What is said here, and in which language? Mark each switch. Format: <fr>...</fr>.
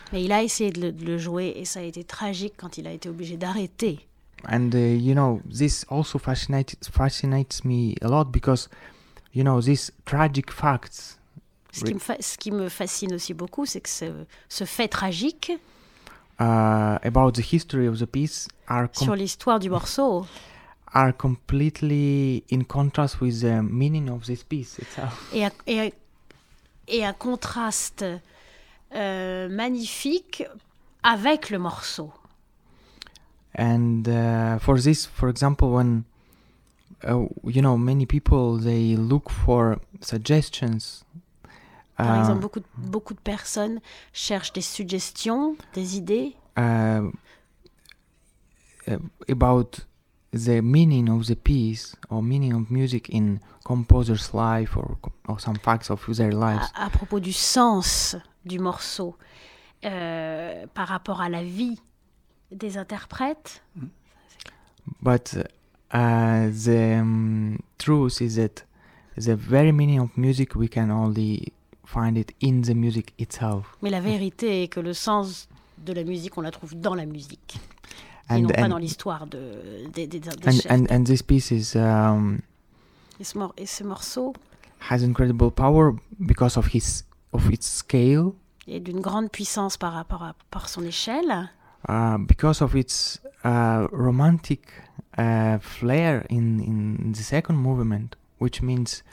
<fr>Mais il a essayé de le jouer, et ça a été tragique quand il a été obligé d'arrêter.</fr> <en>And you know, this also fascinates me a lot because, you know, these tragic facts.</en> <fr>Ce qui me fascine aussi beaucoup, c'est que ce fait tragique</fr> <en>about the history of the piece are</en> <fr>sur l'histoire du morceau</fr> <en>are completely in contrast with the meaning of this piece itself.</en> <fr>Et un contraste magnifique avec le morceau.</fr> <en>And for this, for example, when you know, many people they look for suggestions.</en> <fr>Par exemple, beaucoup de personnes cherchent des suggestions, des idées.</fr> <en>About the meaning of the piece or meaning of music in composer's life or some facts of their lives.</en> <fr>À propos du sens du morceau par rapport à la vie des interprètes.</fr> <en>But the truth is that the very meaning of music we can only find it in the music itself.</en> <fr>Mais la vérité est que le sens de la musique, on la trouve dans la musique, et non pas dans l'histoire des chefs.</fr> <en>And this piece is</en> <fr>Et ce morceau</fr> <en>has incredible power because of his of its scale.</en> <fr>Et d'une grande puissance par rapport à par son échelle.</fr> <en>Because of its romantic flair in the second movement, which means.</en>